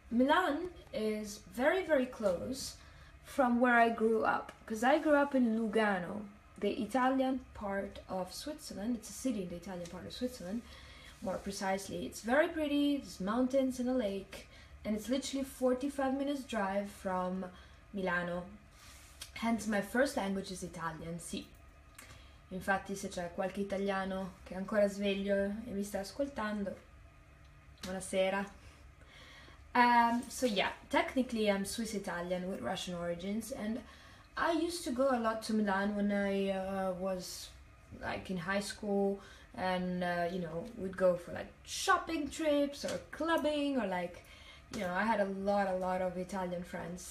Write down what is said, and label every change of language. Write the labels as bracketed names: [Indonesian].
[English] Milan is very, very close from where I grew up, because I grew up in Lugano, the Italian part of Switzerland. It's a city in the Italian part of Switzerland, more precisely. It's very pretty, there's mountains and a lake, and it's literally 45 minutes drive from Milano. Hence, my first language is Italian, sì. [Italian] Infatti, se c'è qualche italiano che è ancora sveglio e mi sta ascoltando, buonasera. [English] So yeah, technically I'm Swiss-Italian with Russian origins, and I used to go a lot to Milan when I was like in high school, and you know, we'd go for like shopping trips or clubbing, or like, you know, I had a lot of Italian friends.